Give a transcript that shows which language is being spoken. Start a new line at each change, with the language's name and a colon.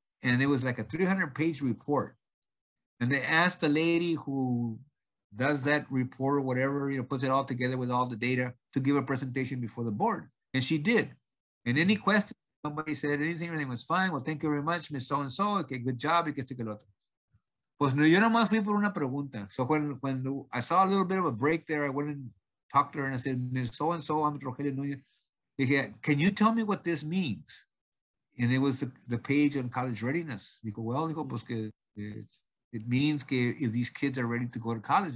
English: And it was like a 300-page report. And they asked the lady who does that report or whatever, you know, puts it all together with all the data to give a presentation before the board. And she did. And any questions? Somebody said anything, everything was fine. Well, thank you very much, Ms. So-and-so. Okay, good job.
Spanish: Y que esto que lo otro. Pues no, yo nomás fui por una pregunta.
English: So when I saw a little bit of a break there, I went and talked to her and I said, Ms. So-and-so, I'm Rogelio Nunez.
Spanish: Dije,
English: can you tell me what this means? And it was the page on college readiness.
Spanish: Dijo,
English: well,
Spanish: dijo, pues que
English: it means que if these kids are ready to go to college.